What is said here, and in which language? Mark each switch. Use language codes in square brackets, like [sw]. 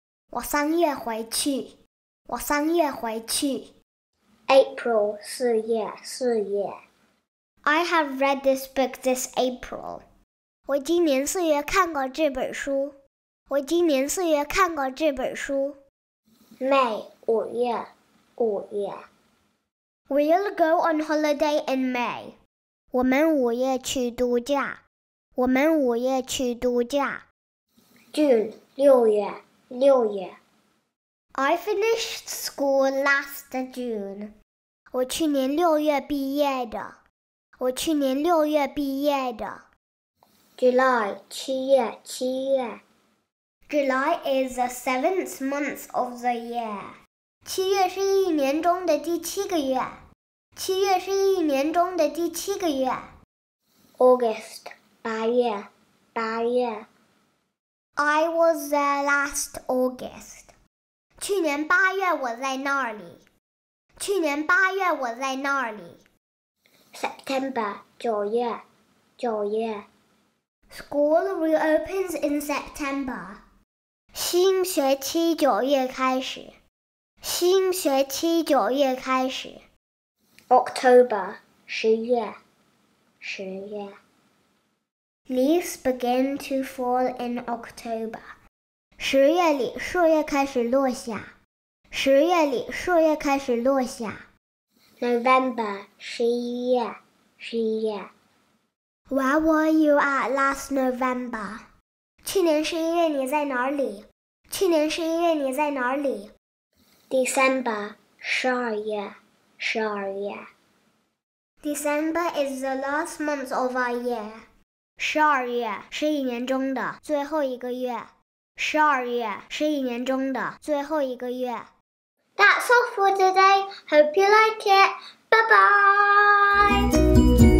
[zh] 我三月回去，我三月回去。 April, 四月，四月。 [en] I have read this book this April. [zh] 我今年四月看过这本书，我今年四月看过这本书。 May, 五月，五月。 [en] We'll go on holiday in May. [zh] 我们五月去度假，我们五月去度假。 June, 六月。六月。 [en] I finished school last June. [zh] 我去年六月毕业的。我去年六月毕业的。 July, 七月，七月。 [en] July is the seventh month of the year. [zh] 七月是一年中的第七个月。七月是一年中的第七个月。 August, 八月，八月。 [en] I was there last August. [zh] 去年八月我在那里。去年八月我在那里。 September, 九月。九月。 [en] School reopens in September. [zh] 新学期九月开始。新学期九月开始。 October, 十月。十月。 [en] Leaves begin to fall in October. [zh] 十月里树叶开始落下。十月里树叶开始落下。 November, 十一月。十一月。 [en] Where were you at last November? [zh] 去年十一月你在哪里？去年十一月你在哪里？December, 十二月。十二月。 [en] December is the last month of our year. [zh] 十二月是一年中的最后一个月。十二月是一年中的最后一个月。 [en] That's all for today. Hope you like it. Bye bye.